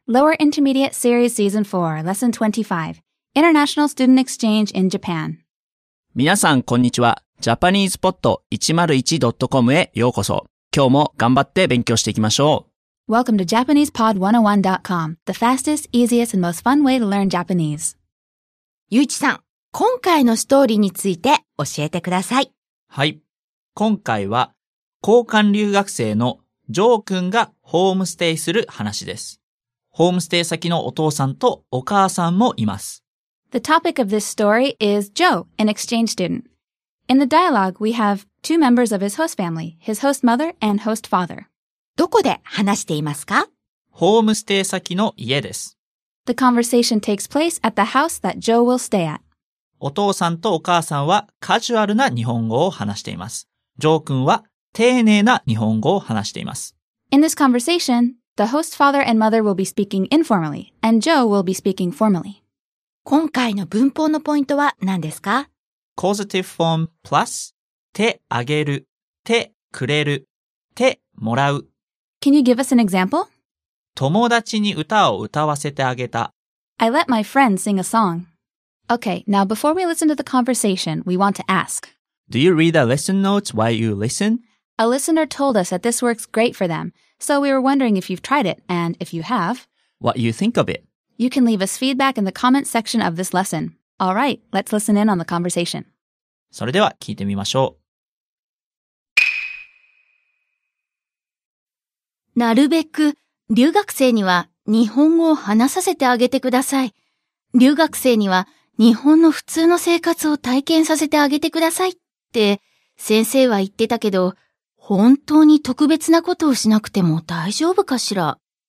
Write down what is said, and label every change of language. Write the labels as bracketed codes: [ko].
[en] Lower Intermediate Series Season 4 Lesson 25International Student Exchange in Japan. [ja] 皆さんこんにちは。 JapanesePod101.com へようこそ。今日も頑張って勉強していきましょう。 [en] Welcome to JapanesePod101.com. The fastest, easiest, and most fun way to learn Japanese. [ja] ゆういちさん、今回のストーリーについて教えてください。はい、今回は交換留学生のジョー君がホームステイする話です。ホームステイ先のお父さんとお母さんもいます。 [en] The topic of this story is Joe, an exchange student. In the dialogue, we have two members of his host family, his host mother and host father. [ja] どこで話していますか？ホームステイ先の家です。 [en] The conversation takes place at the house that Joe will stay at. [ja] お父さんとお母さんはカジュアルな日本語を話しています。ジョー君は丁寧な日本語を話しています。 [en] In this conversation, the host father and mother will be speaking informally, and Joe will be speaking formally. [ja] 今回の文法のポイントは何ですか？ [en] Causative form plus [ja] 手あげる、手くれる、手もらう。 [en] Can you give us an example? [ja] 友達に歌を歌わせてあげた。 [en] I let my friend sing a song. Okay, now before we listen to the conversation, we want to ask. Do you read the lesson notes while you listen? A listener told us that this works great for them, so we were wondering if you've tried it, and if you have, what you think of it? You can leave us feedback in the comments section of this lesson. All right, let's listen in on the conversation. [ja] それでは聞いてみましょう。なるべく留学生には日本語を話させてあげてください。留学生には日本の普通の生活を体験させてあげてくださいって先生は言ってたけど、本当に特別なことをしなくても大丈夫かしら。